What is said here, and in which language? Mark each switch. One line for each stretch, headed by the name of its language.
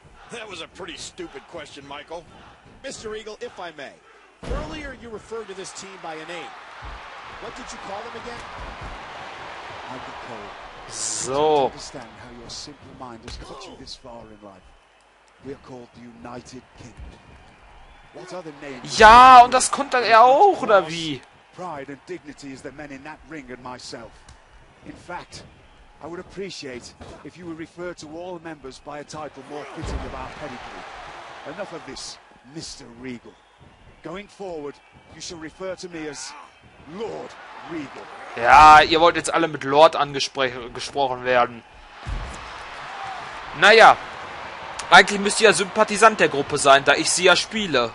English: That was a pretty stupid question, Michael. Mr. Eagle, if I may. Earlier you referred to this team by a name. What did you call them again? I'd be cold. So. I don't understand how your simple mind has got you this far in life. We are called the United Kingdom. What other names?
German: Ja, und das konnte er auch, oder wie?
English: Pride and dignity is the men in that ring and myself. In fact, I would appreciate if you would refer to all members by a title more fitting of our pedigree. Enough of this, Mr. Regal. Going forward, you shall refer to me as Lord Regal.
German: Ja, ihr wollt jetzt alle mit Lord angesprochen werden. Naja, eigentlich müsst ihr ja Sympathisant der Gruppe sein, da ich sie ja spiele.